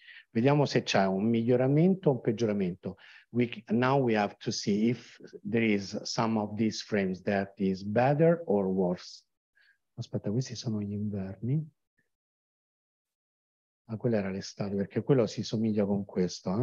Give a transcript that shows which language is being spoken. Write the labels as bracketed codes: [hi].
[it] Vediamo se c'è un miglioramento o un peggioramento. [en] Now we have to see if there is some of these frames that is better or worse. [it] Aspetta, questi sono gli inverni. Ma quella era l'estate, perché quello si somiglia con questo.